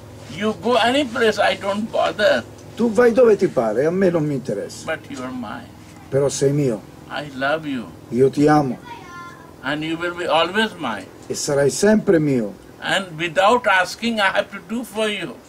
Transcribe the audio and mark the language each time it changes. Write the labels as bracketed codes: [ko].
[en] You go any place, I don't bother. [it] Tu vai dove ti pare, a me non mi interessa. [en] But you are mine. [it] Però sei mio. [en] I love you. [it] Io ti amo. [en] And you will be always mine. [it] E sarai sempre mio. [en] And without asking, I have to do for you.